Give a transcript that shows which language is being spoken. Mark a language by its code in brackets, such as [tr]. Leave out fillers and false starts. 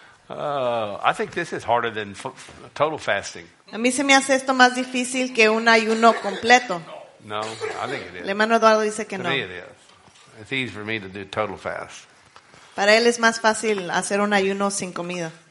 [en] I think this is harder than total fasting. [es] A mí se me hace esto más difícil que un ayuno completo. [en] No, I think it is. [es] El hermano Eduardo dice que no. [en] To me, it is. It's easy for me to do total fast. [es] Para él es más fácil hacer un ayuno sin comida.